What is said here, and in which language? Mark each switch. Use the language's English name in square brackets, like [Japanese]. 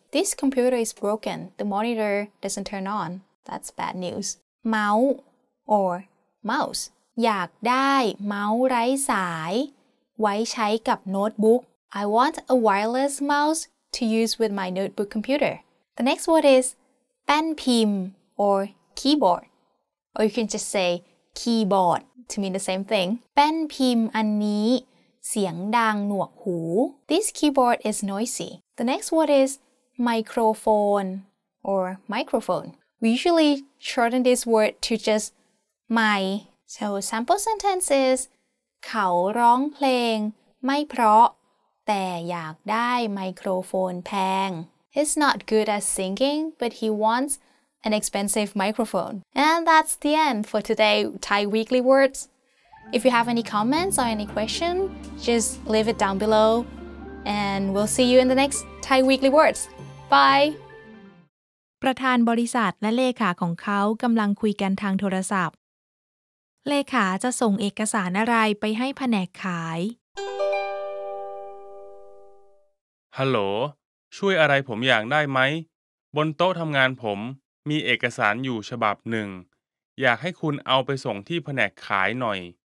[English] This computer is broken. The monitor doesn't turn on. That's bad news. Mau or mouse. [Thai] อยากได้เมาส์ไร้สายไว้ใช้กับโน้ตบุ๊ก [English] I want a wireless mouse to use with my notebook computer. The next word is แป้นพิมพ์ or keyboard. Or you can just say keyboard to mean the same thing. [Thai] แป้นพิมพ์อันนี้เสียงดังหนวกหู [English] This keyboard is noisy. The next word is microphone or microphone. We usually shorten this word to just my... So sample sentence is [Thai] เขาร้องเพลงไม่เพราะแต่อยากได้ไมโครโฟนแพง [English] He's not good at singing, but he wants an expensive microphone. And that's the end for today, Thai Weekly Words. If you have any comments or any question, just leave it down below. And we'll see you in the next Thai Weekly Words. Bye! [Thai] ประธานบริษัทและเลขาของเขากำลังคุยกันทางโทรศัพท์เลขาจะส่งเอกสารอะไรไปให้แผนกขาย ฮัลโหลช่วยอะไรผมอยากได้ไหมบนโต๊ะทำงานผมมีเอกสารอยู่ฉบับหนึ่งอยากให้คุณเอาไปส่งที่แผนกขายหน่อย